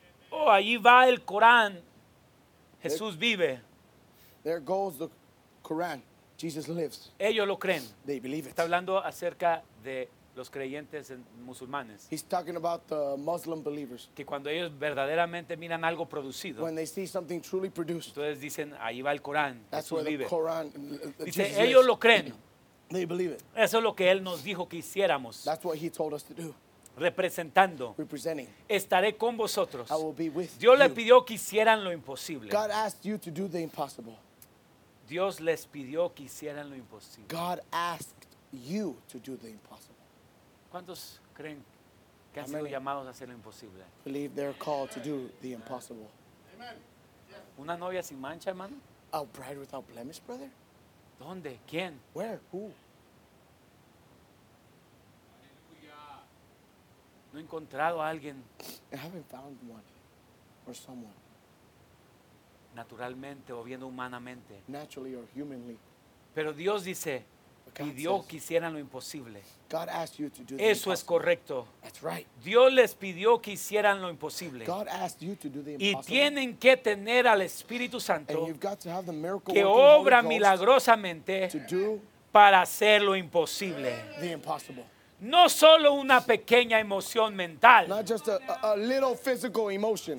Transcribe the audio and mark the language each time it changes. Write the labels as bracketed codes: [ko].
[es] oh, allí va el Corán, Jesús vive. [en] There goes the Quran, Jesus lives. [es] Ellos lo creen. [en] They believe it. [es] Está hablando acerca de los creyentes musulmanes. [en] He's talking about the Muslim believers. [es] Que cuando ellos verdaderamente miran algo producido, [en] when they see something truly produced, [es] entonces dicen, ahí va el Corán, [en] that's [es] Jesús vive. [en] The Quran, [es] dice, [en] Jesus [es] ellos [en] lives. [es] Lo creen. [en] They believe it. [es] Eso es lo que él nos dijo que hiciéramos. [en] That's what he told us to do. [es] Representando. [en] Representing. [es] Estaré con vosotros. [en] I will be with [es] Dios [en] you. [es] Le pidió que hicieran lo imposible. [en] God asked you to do the impossible. [es] Dios les pidió que hicieran lo imposible. [en] God asked you to do the impossible. [es] ¿Cuántos creen que han sido llamados a hacer lo imposible? [en] Believe they're called to do the impossible. Amen. [es] ¿Una novia sin mancha, hermano? [en] A bride without blemish, brother? [es] ¿Dónde? ¿Quién? [en] Where? Who? [es] No he encontrado a alguien. [en] I haven't found one or someone. [es] Naturalmente o viendo humanamente. [en] Naturally or humanly. [es] Pero Dios dice, pidió que hicieran lo imposible. [en] God asked you to do the impossible. [es] Eso es correcto. [en] That's right. [es] Dios les pidió que hicieran lo imposible. [en] God asked you to do the impossible. [es] Y tienen que tener al Espíritu Santo, [en] and you've got to have the miracle [es] que obra milagrosamente [en] to do [es] para hacer lo imposible. [en] The impossible. [es] No solo una pequeña emoción mental. [en] Not just a little physical emotion.